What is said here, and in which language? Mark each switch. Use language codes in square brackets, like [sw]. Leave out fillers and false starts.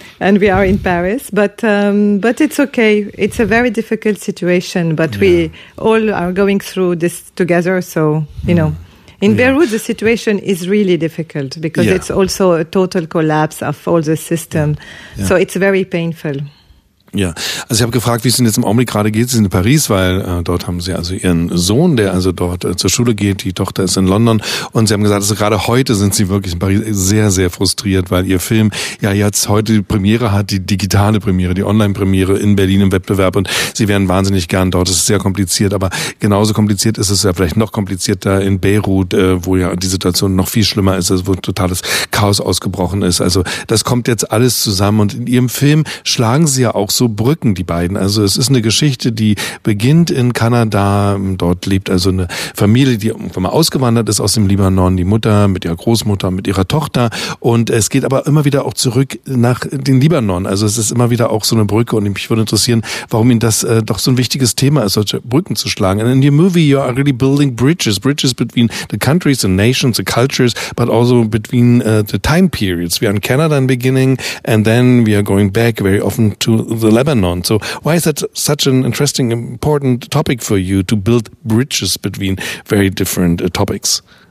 [en] And we are in Paris, but it's okay. It's a very difficult situation, but we all are going through this together. So, you know, in Beirut, the situation is really difficult because it's also a total collapse of all the system. Yeah. Yeah. So it's very painful. [de] Ja, also ich habe gefragt, wie es Ihnen jetzt im Augenblick gerade geht. Sie sind in Paris, weil dort haben Sie also Ihren Sohn, der also dort zur Schule geht. Die Tochter ist in London und Sie haben gesagt, also gerade heute sind Sie wirklich in Paris sehr, sehr frustriert, weil Ihr Film ja jetzt heute die Premiere hat, die digitale Premiere, die Online-Premiere in Berlin im Wettbewerb und Sie wären wahnsinnig gern dort. Es ist sehr kompliziert, aber genauso kompliziert ist es ja vielleicht noch komplizierter in Beirut, wo ja die Situation noch viel schlimmer ist, also wo totales Chaos ausgebrochen ist. Also das kommt jetzt alles zusammen und in Ihrem Film schlagen Sie ja auch so Brücken, die beiden. Also es ist eine Geschichte, die beginnt in Kanada. Dort lebt also eine Familie, die irgendwann mal ausgewandert ist aus dem Libanon. Die Mutter mit ihrer Großmutter, mit ihrer Tochter. Und es geht aber immer wieder auch zurück nach den Libanon. Also es ist immer wieder auch so eine Brücke. Und mich würde interessieren, warum Ihnen das doch so ein wichtiges Thema ist, solche Brücken zu schlagen. [en] And in your movie, you are really building bridges. Bridges between the countries, the nations, the cultures, but also between the time periods. We are in Canada in the beginning and then we are going back very often to the Lebanon. So why is that such an interesting, important topic for you to build bridges between very different topics?